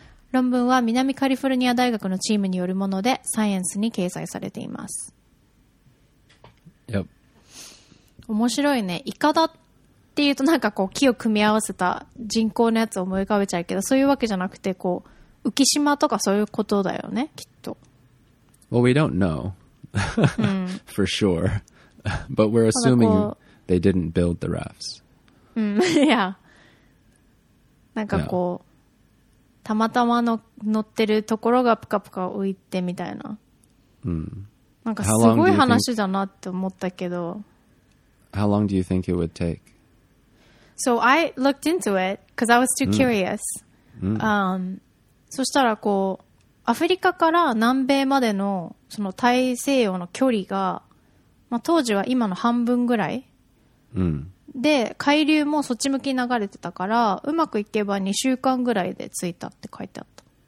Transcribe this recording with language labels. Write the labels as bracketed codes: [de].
[ja] 論文は南カリフォルニア大学のチームによるもので、サイエンスに掲載されています。 [en] Yep. [ja] 面白いね。イカダっていうとなんかこう木を組み合わせた人工のやつを思い浮かべちゃうけど、そういうわけじゃなくてこう、浮島とかそういうことだよね、きっと。 [en] Well, we don't know for sure, but we're assuming they didn't build the rafts. Yeah. [ja] なんかこう、yeah. たまたまの乗ってるところがプカプカ浮いてみたいな。なんかすごい話だなって思ったけど。 [en] How long do you think it would take? So I looked into it because I was too curious. [ja] そしたらこうアフリカから南米までのその大西洋の距離が、まあ、当時は今の半分ぐらい、で海流もそっち向きに流れてたからうまくいけば2週間ぐらいで着いたって書いてあった。